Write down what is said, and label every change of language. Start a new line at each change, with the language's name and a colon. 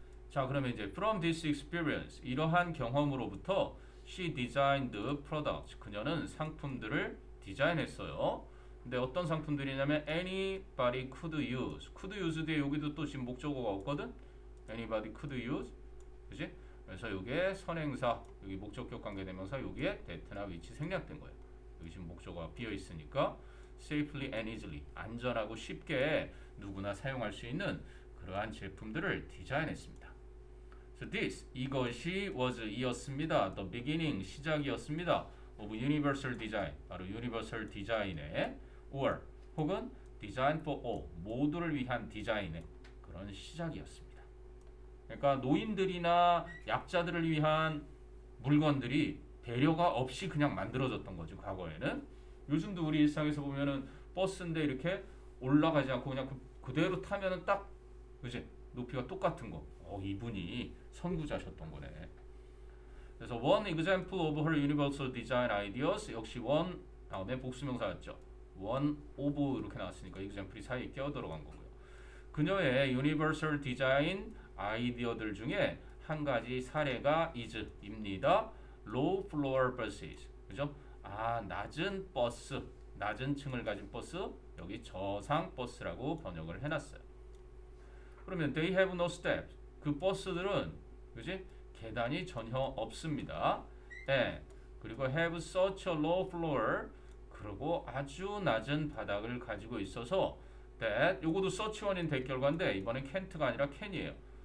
Korean: 자, 그러면 이제
English: from this experience
Korean: 이러한 경험으로부터
English: she designed products
Korean: 그녀는 상품들을 디자인했어요. 근데 어떤 상품들이냐면 anybody could use could use 뒤에 여기도 또 지금 목적어가 없거든.
English: anybody could use 그지?
Korean: 그래서 이게 선행사 여기 목적격 관계되면서 여기에 that나 which 생략된 거예요. 여기 지금 목적어가 비어 있으니까 safely and easily 안전하고 쉽게 누구나 사용할 수 있는 그러한 제품들을 디자인했습니다. So this 이것이 was 이었습니다. The beginning 시작이었습니다.
English: Of universal design 바로 universal design의 or 혹은 design for all
Korean: 모두를 위한 디자인의 그런 시작이었습니다. 그러니까 노인들이나 약자들을 위한 물건들이 배려가 없이 그냥 만들어졌던 거죠. 과거에는 요즘도 우리 일상에서 보면은 버스인데 이렇게 올라가지 않고 그냥 그대로 타면은 딱 그지 높이가 똑같은 거. 이분이 선구자셨던 거네. 그래서
English: one example of her universal design ideas
Korean: 역시 one 다음에 복수명사였죠. one of 이렇게 나왔으니까 example이 사이에 끼어들어간 거고요. 그녀의 universal design 아이디어들 중에 한 가지 사례가 is입니다.
English: low floor buses 그죠?
Korean: 아 낮은 버스 낮은 층을 가진 버스 여기 저상 버스라고 번역을 해놨어요.
English: 그러면 they have no steps 그 버스들은 그지?
Korean: 계단이 전혀 없습니다. 예. 그리고 have such a low floor 그리고 아주 낮은 바닥을 가지고 있어서 that 요것도 such one인 that 결과인데 이번엔 can't가 아니라 can이에요.